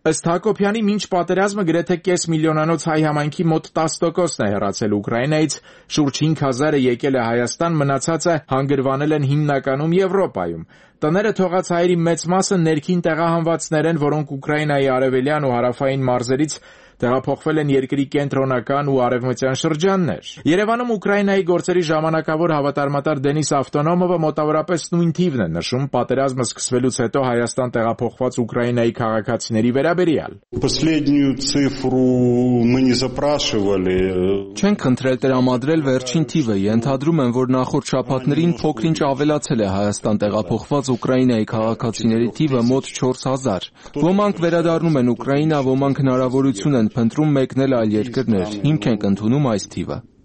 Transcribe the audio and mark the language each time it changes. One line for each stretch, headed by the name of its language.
Armenian: Ըստ Հակոբյանի, մինչ պատերազմը գրեթե 500,000-անոց հայ համայնքի մոտ 10% է հեռացել Ուկրաինայից, շուրջ 5,000-ը եկել է Հայաստան, մնացածը հանգրվանել են հիմնականում Եվրոպայում։ Տները թողած հայերի մեծ մասը ներքին տեղահանվածներ են, որոնք Ուկրաինայի արևելյան ու հարավային մարզերից տեղափոխվել են երկրի կենտրոնական ու արևմտյան շրջաններ։ Երևանում Ուկրաինայի գործերի ժամանակավոր հավատարմատար Դենիս Ավտոնոմովը մոտավորապես նույն թիվն է նշում պատերազմը սկսվելուց հետո Հայաստան տեղափոխված Ուկրաինայի քաղաքացիների վերաբերյալ։
Russian: Последнюю цифру мы не запрашивали.
Armenian: Չեն քննել տրամադրել վերջին թիվը, ենթադրում են, որ նախորդ շաբաթներին փոքրինչ ավելացել է Հայաստան տեղափոխված Ուկրաինայի քաղաքացիների թիվը մոտ 4,000։ Ոմանք վերադառնում են Ուկրաինա, ոմանք հնարավորություն ունեն փնտրում մեկնել այլ երկրներ, հիմք ենք ընդունում այս թիվը։